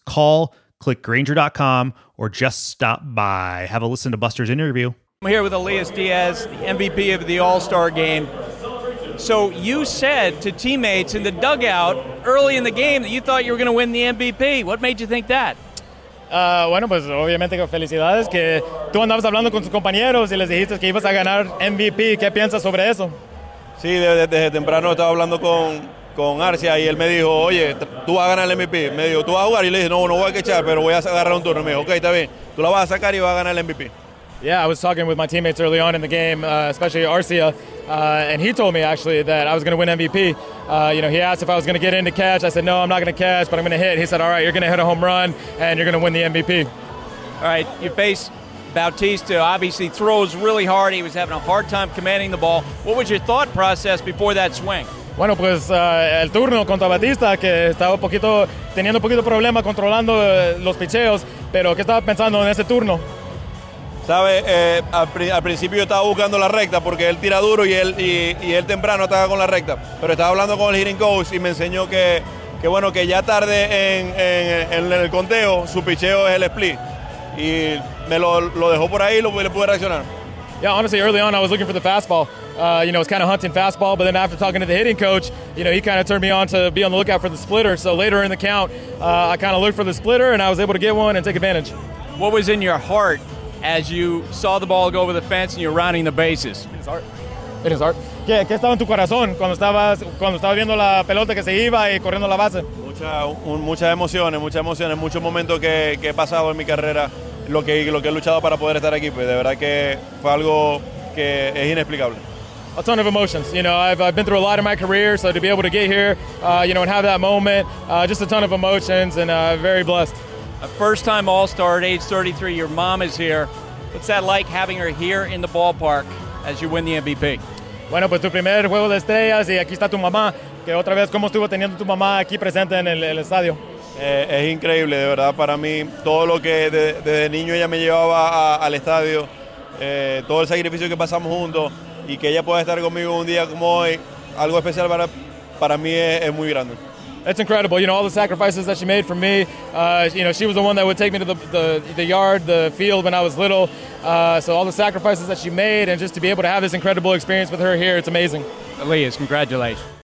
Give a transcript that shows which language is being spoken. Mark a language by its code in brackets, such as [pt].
[en] Call, click Grainger.com, or just stop by. Have a listen to Buster's interview. I'm here with Elias Diaz, the MVP of the All-Star game. So you said to teammates in the dugout early in the game that you thought you were going to win the MVP. What made you think that? [es] Bueno, pues obviamente que felicidades, que tú andabas hablando con tus compañeros y les dijiste que ibas a ganar MVP. ¿Qué piensas sobre eso? Sí, desde temprano estaba hablando con Arcia y él me dijo, oye, tú vas a ganar el MVP. Me dijo, tú vas a jugar. Y le dije, no voy a quechar, pero voy a agarrar un turno. Me dijo, ok, está bien. Tú la vas a sacar y vas a ganar el MVP. [en] Yeah, I was talking with my teammates early on in the game, especially Arcia, and he told me actually that I was going to win MVP. He asked if I was going to get in to catch. I said, no, I'm not going to catch, but I'm going to hit. He said, all right, you're going to hit a home run, and you're going to win the MVP. All right, you face Bautista, obviously throws really hard. He was having a hard time commanding the ball. What was your thought process before that swing? [es] Bueno, pues el turno contra Bautista, que estaba teniendo un poquito problema controlando los picheos, pero ¿qué estaba pensando en ese turno? Sabe, al principio yo estaba buscando la recta porque él tira duro y él temprano estaba con la recta. Pero estaba hablando con el hitting coach y me enseñó que bueno, que ya tarde en el conteo, su picheo es el split. Y me lo dejó por ahí y le pude reaccionar. [en] Yeah, honestly, early on I was looking for the fastball. I was kind of hunting fastball, but then after talking to the hitting coach, he kind of turned me on to be on the lookout for the splitter. So later in the count, I kind of looked for the splitter and I was able to get one and take advantage. What was in your heart as you saw the ball go over the fence and you're rounding the bases? It is art. [es] ¿Qué estaba en tu corazón cuando estabas viendo la pelota que se iba y corriendo la base? Muchas emociones, muchos momentos que he pasado en mi carrera, lo que he luchado para poder estar aquí, pues de verdad que fue algo que es inexplicable. [en] A ton of emotions. I've been through a lot in my career, so to be able to get here, and have that moment, just a ton of emotions and very blessed. A first-time All-Star at age 33, your mom is here. What's that like having her here in the ballpark as you win the MVP? [es] Bueno, pues tu primer juego de estrellas y aquí está tu mamá. Que otra vez, ¿cómo estuvo teniendo tu mamá aquí presente en el estadio? Es increíble, de verdad, para mí. Todo lo que desde niño ella me llevaba al estadio, todo el sacrificio que pasamos juntos y que ella pueda estar conmigo un día como hoy, algo especial para mí es muy grande. [en] It's incredible, all the sacrifices that she made for me. She was the one that would take me to the yard, the field when I was little. So all the sacrifices that she made, and just to be able to have this incredible experience with her here, it's amazing. Elias, congratulations.